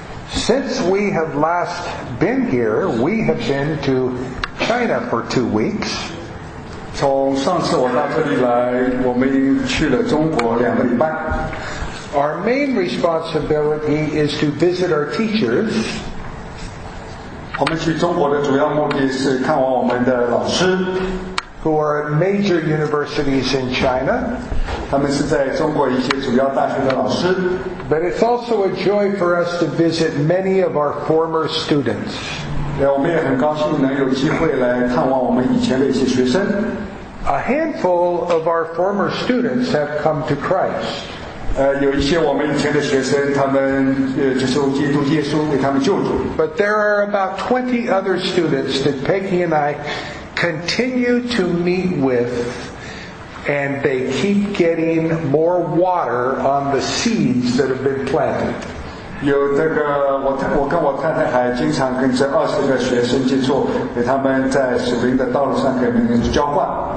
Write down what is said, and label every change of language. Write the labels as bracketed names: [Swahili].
[English] Since we have last been here, we have been to China for 2 weeks. [Chinese] 从上次我到这里来，我们已经去了中国两个礼拜。 [English] Our main responsibility is to visit our teachers. [Chinese] 我们去中国的主要目的是看望我们的老师。 [English] Who are at major universities in China. [Chinese] 他们是在中国一些主要大学的老师。 [English] But it's also a joy for us to visit many of our former students. [Chinese] Yeah, 我们也很高兴能有机会来探望我们以前的一些学生。 [English] A handful of our former students have come to Christ. [Chinese] 有一些我们以前的学生，他们接受基督耶稣为他们救主。 [English] But there are about 20 other students that Peggy and I continue to meet with, and they keep getting more water on the seeds that have been planted. [Chinese] 有这个我跟我太太还经常跟这二十个学生接触，给他们在属灵的道路上给别人交换。